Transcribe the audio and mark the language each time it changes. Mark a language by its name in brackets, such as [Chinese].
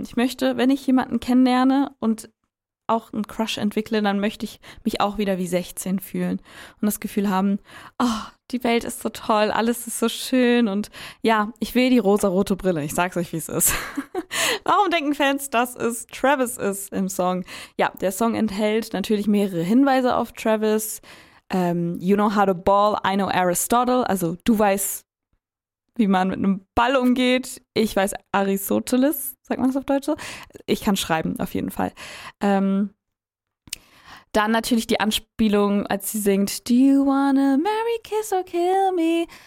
[German] Ich möchte, wenn ich jemanden kennenlerne und auch einen Crush entwickle, dann möchte ich mich auch wieder wie 16 fühlen und das Gefühl haben, oh, die Welt ist so toll, alles ist so schön und ja, ich will die rosa-rote Brille. Ich sag's euch, wie es ist. Warum denken Fans, dass es Travis ist im Song? Ja, der Song enthält natürlich mehrere Hinweise auf Travis. [English] You know how to ball, I know Aristotle. [German] Also du weißt, wie man mit einem Ball umgeht. Ich weiß Aristoteles, sagt man das auf Deutsch so? Ich kann schreiben, auf jeden Fall. Dann natürlich die Anspielung, als sie singt [English] Do you wanna marry, kiss or kill me?